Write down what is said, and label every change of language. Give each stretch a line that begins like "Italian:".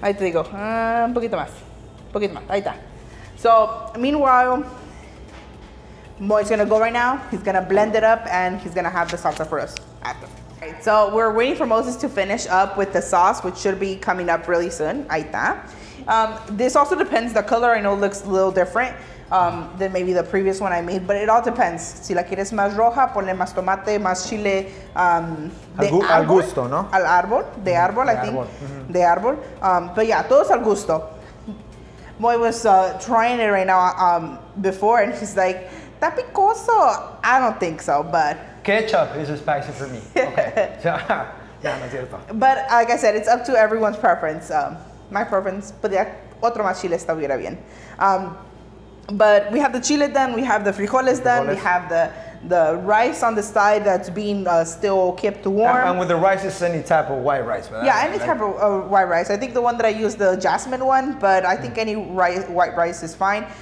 Spanish: Ahí te digo, un poquito más. Poquito más, ahí está.
English: So, meanwhile, Moy's gonna go right now. He's gonna blend it up and he's gonna have the salsa for us after. Right, so, we're waiting for Moses to finish up with the sauce, which should be coming up really soon.
Spanish: Ahí está.
English: This also depends. The color I know looks a little different than maybe the previous one I made, but it all depends.
Spanish: Si la quieres más roja, ponle más tomate, más chile. Al gusto, ¿no? Al árbol, de árbol, mm-hmm. I think. Mm-hmm. De árbol.
English: But yeah,
Spanish: todo es al gusto.
English: Moy was trying it right now before, and he's like,
Spanish: ¿está picoso?
English: I don't think so, but. Ketchup is spicy for me. Okay. But like I said, it's up to everyone's preference. My preference,
Spanish: podría otro más chile estuviera bien.
English: But we have the chile done, we have the frijoles done, we have the rice on the side that's being still kept warm. And with the rice, it's any type of white rice. Yeah, any type of white rice. I think the one that I used, the jasmine one, but I think any white rice is fine.